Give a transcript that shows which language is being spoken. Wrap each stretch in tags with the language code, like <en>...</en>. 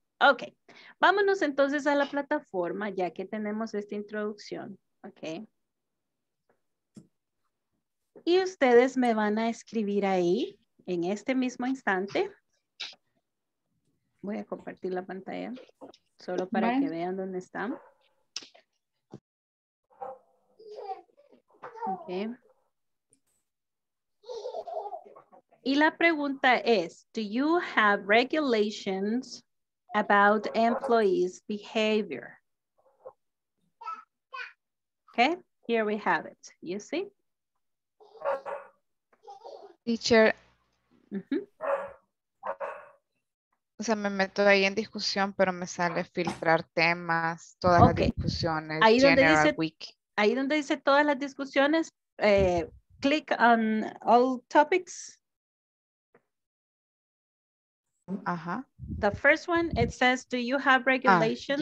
<es>Ok, vámonos entonces a la plataforma, ya que tenemos esta introducción, ok. Y ustedes me van a escribir ahí, en este mismo instante. Voy a compartir la pantalla, solo para que vean dónde están.</es> <en>Okay.</en> <es>Y la pregunta es,</es> <en>do you have regulations about employees' behavior? Okay, here we have it, you see?</en> <es>Teacher, uh-huh. O sea, me meto ahí en discusión, pero me sale filtrar temas, todas okay. Las discusiones, ahí donde dice, week. Ahí donde dice todas las discusiones,</es> <en>click on all topics. Ajá. The first one, it says, do you have regulations?</en>